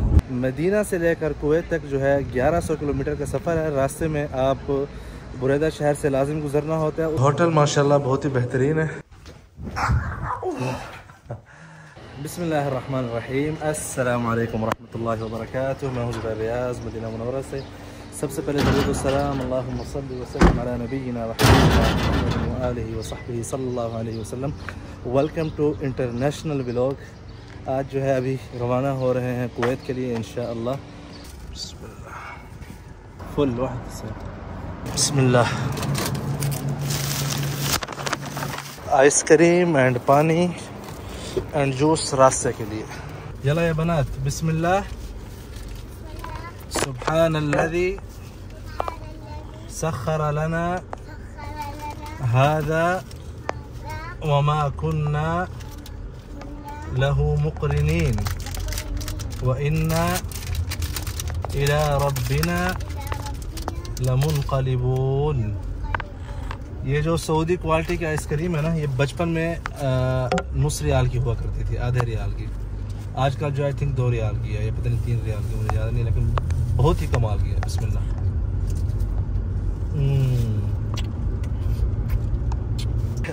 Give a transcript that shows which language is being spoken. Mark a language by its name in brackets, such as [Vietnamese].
[Urdu] مدينة سے لے کر کویت تک جو ہے 1100 کلومیٹر کا سفر ہے. راستے میں آپ بریدہ شہر سے لازم گزرنا ہوتا ہے. ہوتل ماشاءاللہ بہت ہی بہترین ہے. بسم اللہ الرحمن الرحیم. السلام علیکم ورحمۃ اللہ وبرکاتہ. میں ہوں زبیر ریاض مدینہ منورہ سے. سب سے پہلے درود و سلام [Arabic] اللهم صل وسلم على نبينا محمد وآله وصحبه صلى الله عليه وسلم. [English] Welcome to international vlog. [Urdu] آج جو ہے ابھی روانہ ہو رہے ہیں کویت کے لیے انشاءاللہ. بسم اللہ فل واحد سے. بسم اللہ. [English] ice cream and [Urdu] پانی [English] and juice [Urdu] راستے کے لیے. [Arabic] یلا یا بنات. بسم اللہ سبحان الذي سخر لنا هذا وما كنا له مقرنين وإنا إلى ربنا لمنقلبون. [Urdu] یہ جو سعودی کوالٹی کی آئس کریم ہے نا یہ بچپن میں نص ریال کی ہوا کرتی تھی آدھے ریال کی. آج کل جو [English] I think [Urdu] دو ریال کی ہے یا پتہ نہیں تین ریال کی مجھے یاد نہیں لیکن بہت ہی کمال کی ہے. بسم اللہ.